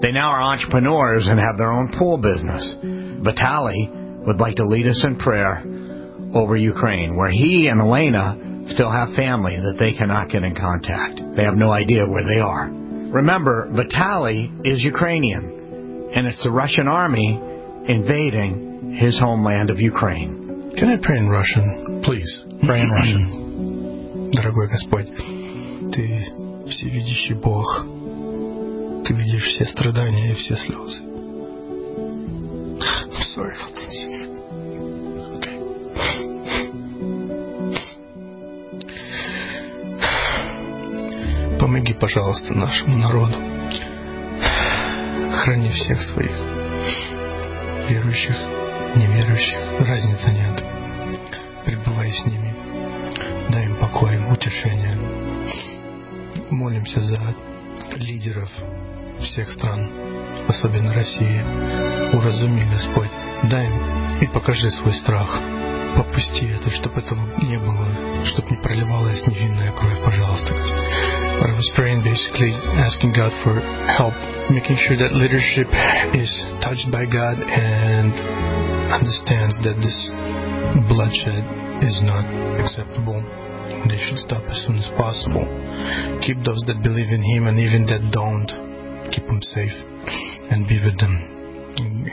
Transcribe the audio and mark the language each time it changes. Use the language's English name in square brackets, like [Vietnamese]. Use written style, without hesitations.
[English] They now are entrepreneurs and have their own pool business. Vitaly would like to lead us in prayer over Ukraine, where he and Elena still have family that they cannot get in contact. They have no idea where they are. Remember, Vitaly is Ukrainian, and it's the Russian army invading his homeland of Ukraine. Can I pray in Russian? Please, pray in Russian. [Russian] Дорогой Господь, Ты всевидящий Бог. Ты видишь все страдания и все слезы. Помоги, пожалуйста, нашему народу. Храни всех своих. Верующих, неверующих. Разницы нет. Пребывай с ними. Дай им покой, утешение. Молимся за лидеров всех стран, особенно России. Уразуми, Господь. Дай им и покажи свой страх. Попусти это, чтобы этого не было, чтобы не проливалась невинная кровь, пожалуйста. [English] But I was praying, basically asking God for help, making sure that leadership is touched by God and understands that this bloodshed is not acceptable. They should stop as soon as possible. Keep those that believe in Him, and even that don't, keep them safe and be with them.